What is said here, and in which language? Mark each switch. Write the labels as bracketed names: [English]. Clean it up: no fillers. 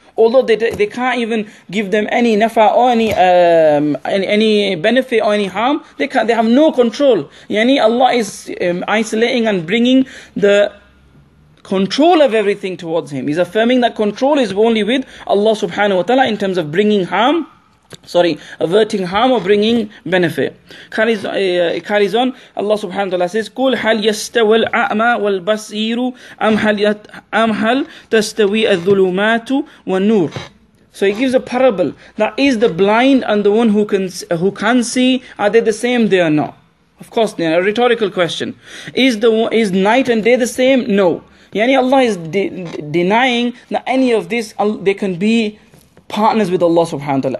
[English] Although they can't even give them any nafa or any benefit or any harm, they have no control. Yani Allah is isolating and bringing the control of everything towards Him. He's affirming that control is only with Allah subhanahu wa ta'ala in terms of bringing harm, averting harm or bringing benefit. Carries on, Allah subhanahu wa ta'ala says, [Arabic] قُلْ هَلْ يَسْتَوَى الْأَعْمَى وَالْبَصِيرُ أَمْ هَلْ تَسْتَوِي الظُّلُمَاتُ وَالنُّورُ. [English] So he gives a parable, that is the blind and the one who can see, are they the same, they are not? Of course, they are a rhetorical question. Is night and day the same? No. Yani Allah is denying that any of this, they can be partners with Allah subhanahu wa ta'ala.